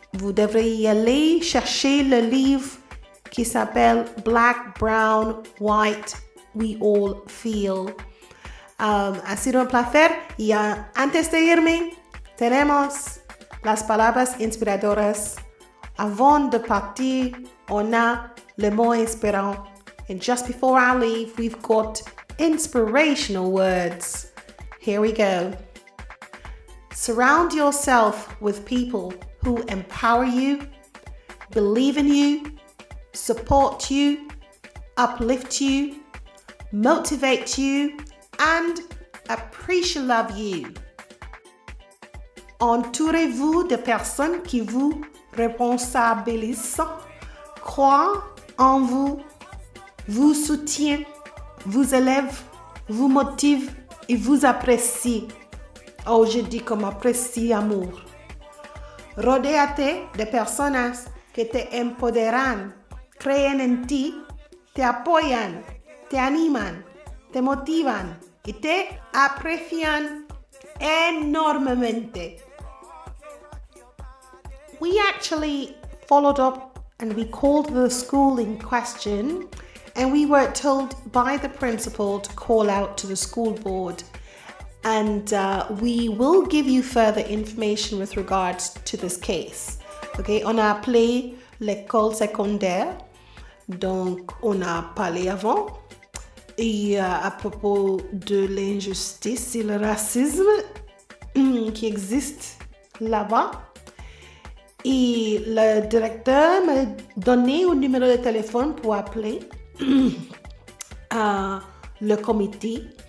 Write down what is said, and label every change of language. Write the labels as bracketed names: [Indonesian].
[French] Vous devriez aller chercher le livre qui s'appelle Black, Brown, White, We All Feel. [Spanish] Ha sido un placer. Y antes de irme, tenemos las palabras inspiradoras. [French] Avant de partir, on a le mot inspirant. [English] And just before I leave, we've got inspirational words. Here we go. Surround yourself with people who empower you, believe in you, support you, uplift you, motivate you, and appreciate love you. [French] Entourez-vous de personnes qui vous responsabilisent, croient en vous, vous soutiennent, vous élèvent, vous motivent et vous apprécient. Oh, je dis comme apprécie amour. [Spanish] Rodéate de personas que te empoderan. Creen en ti, te apoyan, te animan, te motivan y te aprecian enormemente. [English] We actually followed up and we called the school in question and we were told by the principal to call out to the school board and we will give you further information with regards to this case. [French] Okay, on a appelé l'école secondaire. Donc, on a parlé avant et à propos de l'injustice et le racisme qui existe là-bas. Et le directeur m'a donné un numéro de téléphone pour appeler le comité.